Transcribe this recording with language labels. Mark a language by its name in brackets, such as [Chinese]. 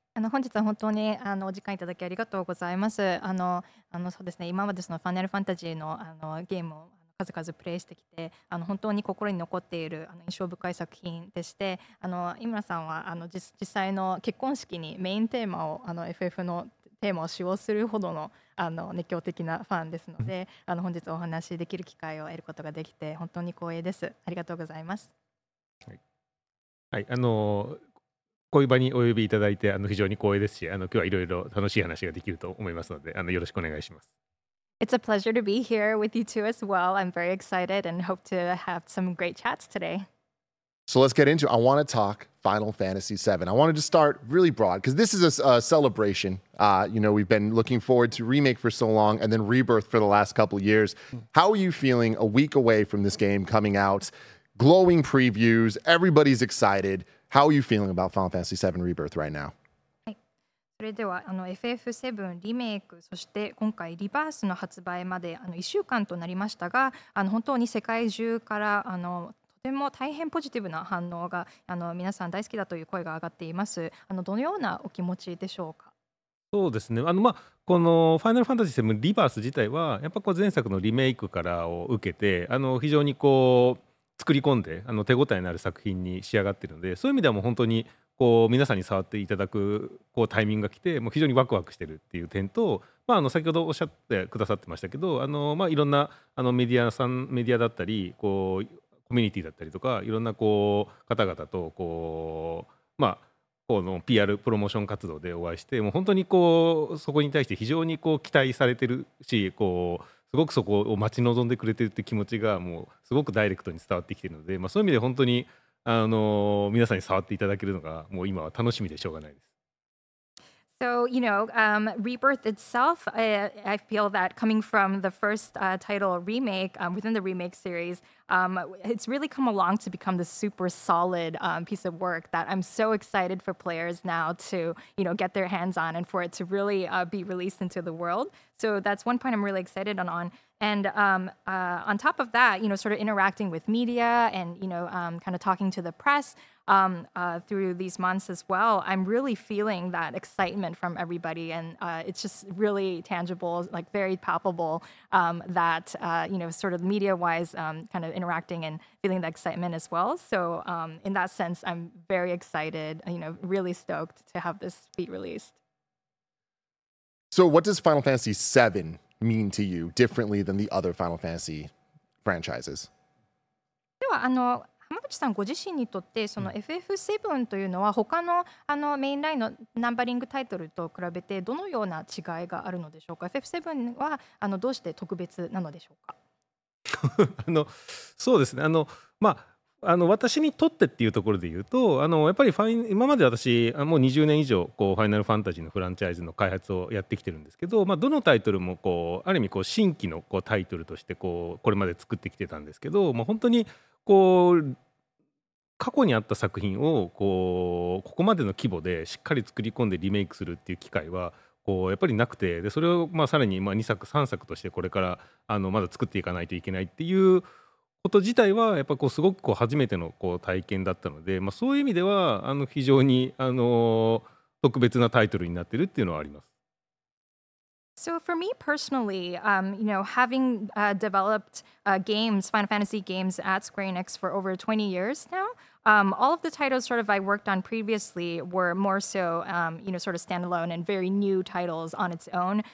[Japanese] 本日は本当にお時間いただきありがとうございます。そうですね。今までそのファイナルファンタジーのゲームを数々プレイしてきて本当に心に残っている印象深い作品でして、井村さんは実際の結婚式にメインテーマをFF のテーマを使用するほどの熱狂的なファンですので、本日お話しできる機会を得ることができて本当に光栄です。ありがとうございます。はい、こういう場にお呼びいただいて非常に光栄ですし、今日はいろいろ楽しい話ができると思いますので、よろしくお願いします。 [English] It's a pleasure to be here with you two as well. I'm very excited and hope to have some great chats today. So let's get into it. I want to talk Final Fantasy VII. I wanted to start really broad because this is a celebration. We've been looking forward to Remake for so long and then Rebirth for the last couple of years. How are you feeling a week away from this game coming out? Glowing previews. Everybody's excited. How are you feeling about Final Fantasy VII Rebirth right now? [Japanese] それでは FF7 リメイク、そして今回リバースの発売まで1週間となりましたが、本当に世界中からとても大変ポジティブな反応が皆さん大好きだという声が上がっています。どのようなお気持ちでしょうか？そうですね、このファイナルファンタジー7リバース自体はやっぱこう前作のリメイクからを受けて非常にこう作り込んで手応えのある作品に仕上がっているので、そういう意味ではもう本当にこう皆さんに触っていただくこうタイミングが来て、もう非常にワクワクしてるっていう点と、先ほどおっしゃってくださってましたけど、いろんなメディアだったりこうコミュニティだったりとか、いろんなこう方々とこう、この PR プロモーション活動でお会いして、もう本当にこうそこに対して非常にこう期待されてるし、こうすごくそこを待ち望んでくれてるって気持ちがもうすごくダイレクトに伝わってきてるので、そういう意味で本当に皆さんに触っていただけるのがもう今は楽しみでしょうがないです。 [English] So, you know, Rebirth itself, I feel that coming from the first title remake within the remake series, it's really come along to become this super solid piece of work that I'm so excited for players now to, get their hands on and for it to really be released into the world. So that's one point I'm really excited on. And on top of that, sort of interacting with media and, kind of talking to the press through these months as well, I'm really feeling that excitement from everybody. And it's just really tangible, like very palpable that, sort of media wise kind of interacting and feeling the excitement as well. So in that sense, I'm very excited, really stoked to have this be released. So what does Final Fantasy VII mean to you differently than the other Final Fantasy franchises? [Japanese] ではあの浜口さんご自身にとってその FF7 というのは他 の, あのメインラインのナンバリングタイトルと比べてどのような違いがあるのでしょうか。 FF7 はあのどうして特別なのでしょうか。あのそうですね、あの、まあ、あの私にとってっていうところで言うと、あのやっぱりファイ今まで私もう20年以上こうファイナルファンタジーのフランチャイズの開発をやってきてるんですけど、まあ、どのタイトルもこうある意味こう新規のこうタイトルとして これまで作ってきてたんですけど、まあ、本当にこう過去にあった作品を ここまでの規模でしっかり作り込んでリメイクするっていう機会はこうやっぱりなくて、でそれをまあさらにまあ2作3作としてこれからあのまだ作っていかないといけないっていうこと自体はやっぱこうすごくこう初めてのこう体験だったので、まあ、そういう意味ではあの非常にあの特別なタイトルになってるっていうのはあります。 [English] So for me personally, you know, having developed games, Final Fantasy games at Square Enix for over 20 years now, all of the titles sort of I worked on previously were more so, you know, sort of standalone and very new titles on its own.